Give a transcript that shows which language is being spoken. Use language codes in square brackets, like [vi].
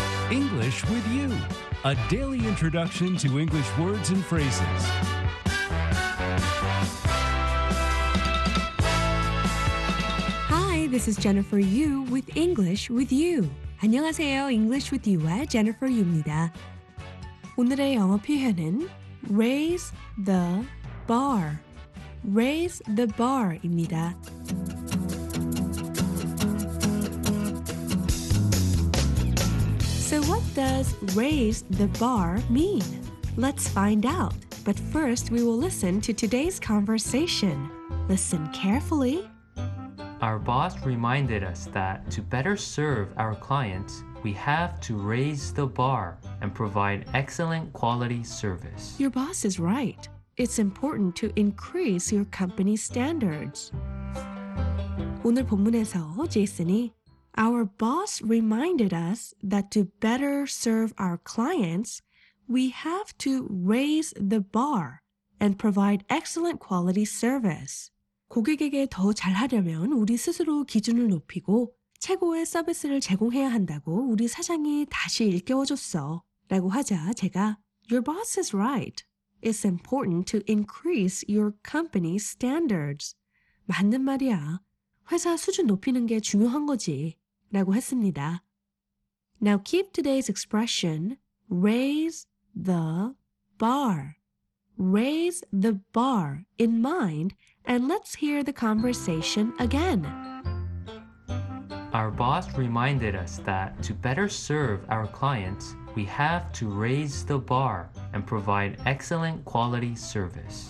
[en] English with you, a daily introduction to English words and phrases. [ko] 안녕하세요, English with you와 Jennifer Yu입니다. 오늘의 영어 표현은 [en] Raise the bar. Raise the bar입니다. So what does raise the bar mean? Let's find out. But first, we will listen to today's conversation. Listen carefully. Our boss reminded us that to better serve our clients, we have to raise the bar and provide excellent quality service. Your boss is right. It's important to increase your company's standards. [ko] 오늘 본문에서 제이슨이 [en] Our boss reminded us that to better serve our clients, we have to raise the bar and provide excellent quality service. [ko] 고객에게 더 잘하려면 우리 스스로 기준을 높이고 최고의 서비스를 제공해야 한다고 우리 사장이 다시 일깨워줬어 라고 하자 제가 [en] Your boss is right. It's important to increase your company's standards. [ko] 맞는 말이야. 회사 수준 높이는 게 중요한 거지 라고 했습니다. [en] Now keep today's expression, raise the bar. Raise the bar in mind and let's hear the conversation again. Our boss reminded us that to better serve our clients, we have to raise the bar and provide excellent quality service.